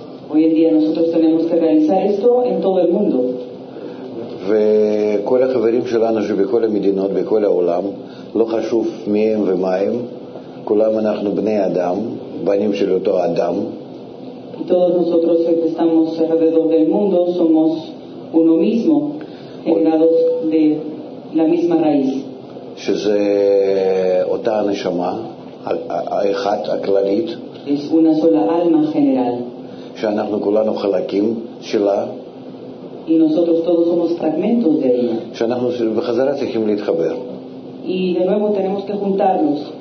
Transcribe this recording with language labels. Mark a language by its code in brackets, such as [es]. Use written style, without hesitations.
[es] Hoy en día nosotros tenemos que realizar esto en todo el mundo. [he] וכל החברים שלנו שבכל המדינות, בכל העולם, לא חשוב מיהם ומהם, כולם אנחנו בני אדם, בנים של אותו אדם. [es] Todos nosotros que estamos alrededor del mundo somos uno mismo, generados de la misma raíz. [he] שזה אותה הנשמה, האחת הכללית. [es] Es una sola alma general. [he] שאנחנו כולנו חלקים שלה. [es] Y nosotros todos somos fragmentos de ella. [he] שאנחנו בחזרה צריכים להתחבר. [es] Y de nuevo tenemos que juntarnos.